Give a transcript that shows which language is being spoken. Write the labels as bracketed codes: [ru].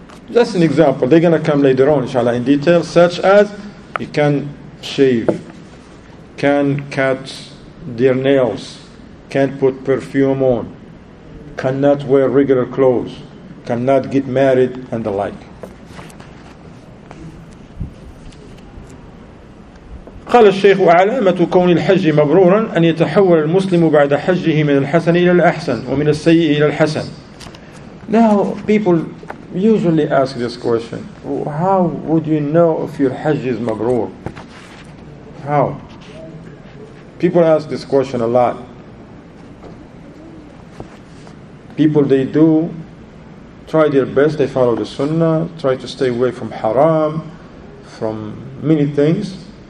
[en] Just an example, they're going to come later on, inshallah, in detail, such as you can shave, can cut their nails, can't put perfume on, cannot wear regular clothes, cannot get married, and the like. [ar] قال الشيخ وعلامة كون الحج مبرورا أن يتحول المسلم بعد حجه من الحسن إلى الأحسن ومن السيء إلى الحسن. [en] Now people usually ask this question: how would you know if your Hajj is mabrur? How? People ask this question a lot. People, they do try their best, they follow the sunnah, try to stay away from haram, from many things.